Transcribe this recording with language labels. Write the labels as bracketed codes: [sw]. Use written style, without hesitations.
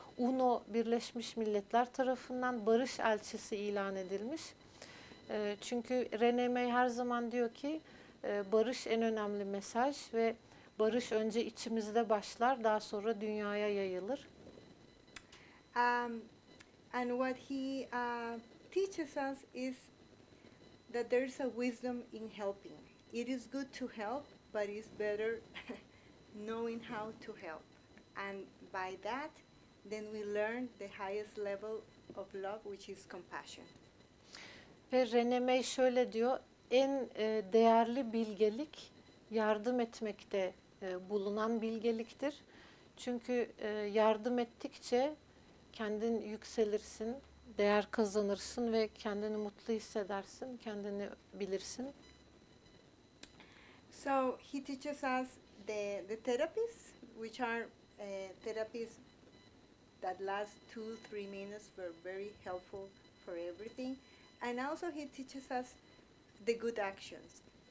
[tr] UNO Birleşmiş Milletler tarafından barış elçisi ilan edilmiş. Çünkü René May her zaman diyor ki barış en önemli mesaj ve barış önce içimizde başlar, daha sonra dünyaya yayılır. [en] And what he teaches us is that there is a wisdom in helping. It is good to help, but it's better knowing how to help. And by that, then we learn the highest level of love, which is compassion. [tr] Ve René May şöyle diyor, en değerli bilgelik yardım etmekte bulunan bilgeliktir. Çünkü yardım ettikçe kendin yükselirsin, değer kazanırsın ve kendini mutlu hissedersin, kendini bilirsin. [en] So he teaches us the therapies, which are therapies that last 2-3 minutes, were very helpful for everything. And also he teaches us the good actions.